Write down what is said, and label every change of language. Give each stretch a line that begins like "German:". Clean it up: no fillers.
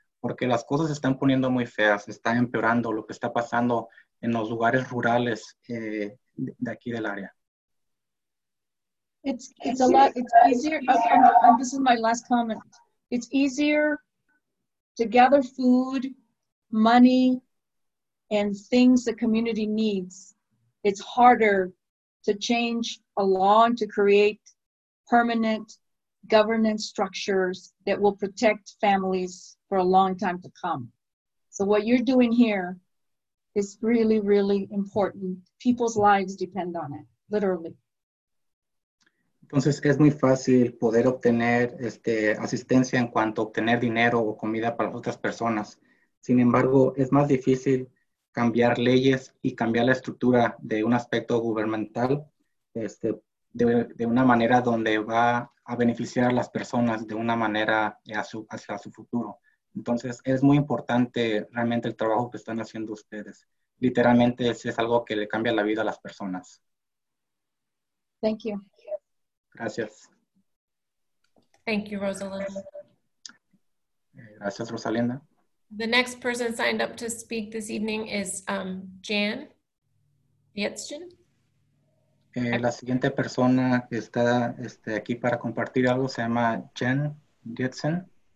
Spanish: Porque las cosas se están poniendo muy feas, están empeorando lo que está pasando en los lugares rurales de aquí del área.
English: It's a lot, it's easier, and this is my last comment. It's easier to gather food, money, and things the community needs. It's harder to change a law and to create permanent governance structures that will protect families for a long time to come. So what you're doing here is really, really important. People's lives depend on it, literally.
Spanish: Entonces, es muy fácil poder obtener asistencia en cuanto a obtener dinero o comida para otras personas. Sin embargo, es más difícil cambiar leyes y cambiar la estructura de un aspecto gubernamental de una manera donde va a beneficiar a las personas de una manera hacia su futuro. Entonces, es muy importante realmente el trabajo que están haciendo ustedes. Literalmente, es algo que le cambia la vida a las personas.
English: Thank you.
Spanish: Gracias.
English: Thank you, Rosalinda.
Spanish: Gracias, Rosalinda.
English: The next person signed up to speak this evening is Jan Yetzchen.
Spanish: La siguiente persona que está aquí para compartir algo se llama Jan Yetzchen.